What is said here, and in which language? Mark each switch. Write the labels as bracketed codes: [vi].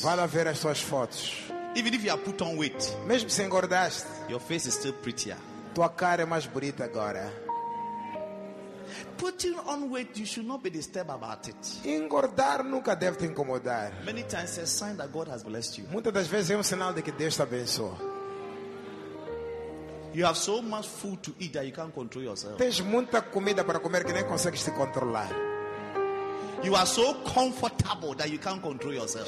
[pt] Vá lá ver as tuas fotos. [en] Even if you are put on weight, [pt] mesmo se engordaste, [en] your face is still prettier. [pt] Tua cara é mais bonita agora. [en] Putting on weight, you should not be disturbed about it. [pt] Engordar nunca deve te incomodar. [en] Many times it's a sign that God has blessed you. [pt] Muitas das vezes é sinal de que Deus te abençoou. [en] You have so much food to eat that you can't control yourself. [pt] Tens muita comida para comer que nem consegues te controlar. [en] You are so comfortable that you can't control yourself.